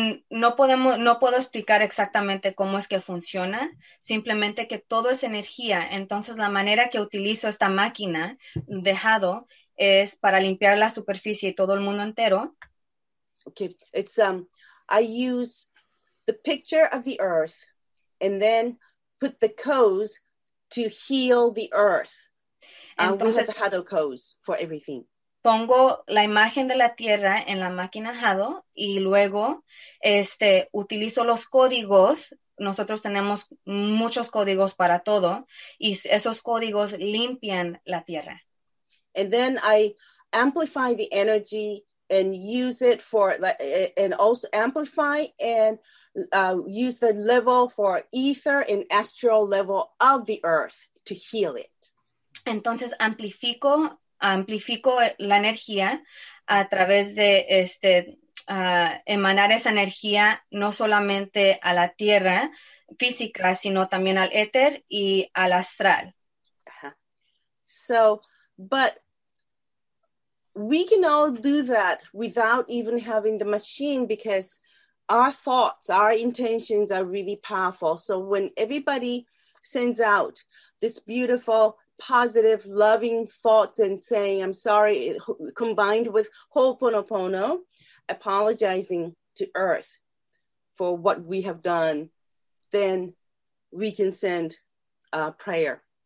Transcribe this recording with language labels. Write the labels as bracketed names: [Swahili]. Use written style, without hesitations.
[Spanish] No puedo explicar exactamente cómo es que funciona, simplemente que todo es energía. Entonces la manera que utilizo esta máquina de Hado es para limpiar la superficie y todo el mundo entero. [English] Okay. I use the picture of the earth, and then put the codes to heal the earth. Entonces, we have the Hado codes for everything. [Spanish] Pongo la imagen de la tierra en la máquina Hado, y luego utilizo los códigos. Nosotros tenemos muchos códigos para todo, y esos códigos limpian la tierra. [English] And then I amplify the energy and use it for, and also amplify and use the level for ether and astral level of the earth to heal it. [Spanish] Entonces amplifico la energía a través de emanar esa energía no solamente a la tierra física, sino también al éter y al astral. Uh-huh. [English] So, but we can all do that without even having the machine, because our thoughts, our intentions are really powerful. So when everybody sends out this beautiful, positive, loving thoughts and saying, I'm sorry, combined with Ho'oponopono, apologizing to Earth for what we have done, then we can send a prayer.